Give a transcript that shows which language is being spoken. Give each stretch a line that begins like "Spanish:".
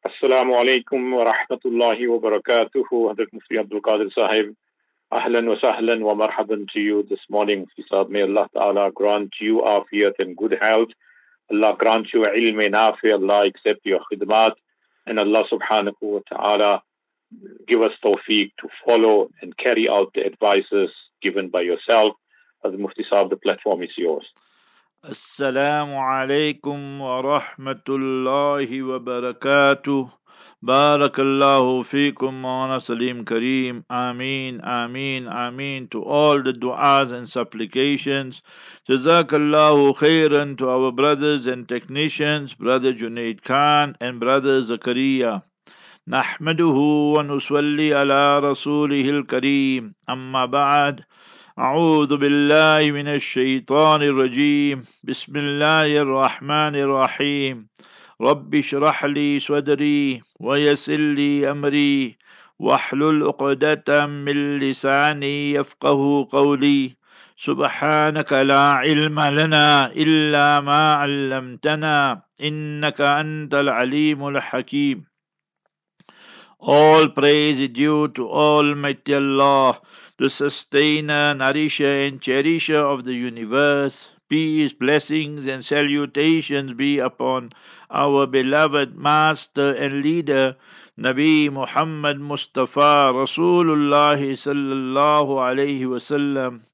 Arabic: السلام عليكم ورحمة الله وبركاته. هذا مفتي عبد القادر صاحب. أهلا وسهلا ومرحبا
English: to you this morning. فيصاب may الله تعالى grant you عافيت and good health. الله grant you
Arabic: علم نافع.
English: الله accept your خدمات. And
Arabic: الله سبحانه وتعالى
English: give us توفيق to follow and carry out the advices given by yourself.
Arabic: هذا مفتي صاحب,
English: the platform is yours.
Arabic: السلام عليكم ورحمة الله وبركاته. بارك الله فيكم مولانا سليم كريم. آمين آمين آمين.
English: To all the du'as and supplications.
Arabic: جزاك الله خيرا.
English: To our brothers and technicians, brother Junaid Khan and brother Zakariya.
Arabic: نحمده ونصلي على رسوله الكريم. أما بعد, أعوذ بالله من الشيطان الرجيم. بسم الله الرحمن الرحيم. رب اشرح لي صدري ويسر لي أمري واحلل عقدة من لساني يفقه قولي. سبحانك لا علم لنا إلا ما علمتنا إنك أنت العليم الحكيم.
English: All praise is due to Almighty Allah, the sustainer, nourisher and cherisher of the universe. Peace, blessings and salutations be upon our beloved master and leader, Nabi Muhammad Mustafa Rasulullah
Arabic: sallallahu alayhi wa sallam.